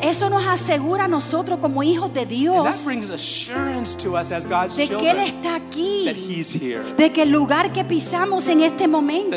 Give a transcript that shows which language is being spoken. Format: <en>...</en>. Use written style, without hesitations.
<es>Eso nos asegura a nosotros como hijos de Dios.</es> <en>And that brings assurance to us as God's</en> <es>de</es> <en>children,</en> <es>que Él está aquí.</es> <en>That He's here.</en> <es>De que el lugar que pisamos en este momento.</es>